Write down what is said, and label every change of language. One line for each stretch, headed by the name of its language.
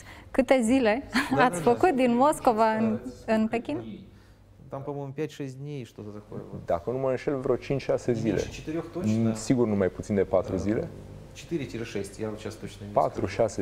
Romanian: Câte zile ați făcut din Moscova în Pekin?
Russian: Там, по-моему, 5-6 дней, что-то такое.
Romanian: Dacă nu mă înșel, vreo 5-6 zile. Sigur nu mai puțin de 4 zile.
Russian: 4-6,
Romanian: iar
Russian: сейчас точно не